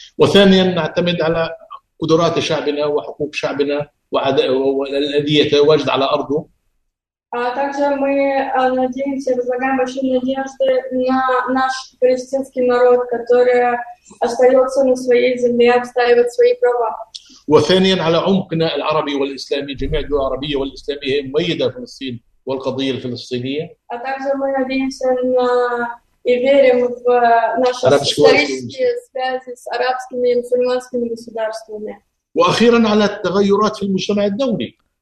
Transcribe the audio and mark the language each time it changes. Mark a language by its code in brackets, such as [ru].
[ru] Во-вторых, мы возлагаем большие надежды на справедливость [ar] والذي يتواجد على أرضه. [ru] Также мы надеемся, возлагаем большие надежды на наш палестинский народ, который остается на своей земле, отстаивает свои права. [ar] وثانيا على عمقنا العربي والإسلامي جميع الدول العربية والإسلامية مؤيدة فلسطين والقضية الفلسطينية. [ru] Также мы надеемся на и верим в наши исторические связи с арабскими и мусульманскими государствами. [ar] وأخيرا على التغيرات في المجتمع الدولي.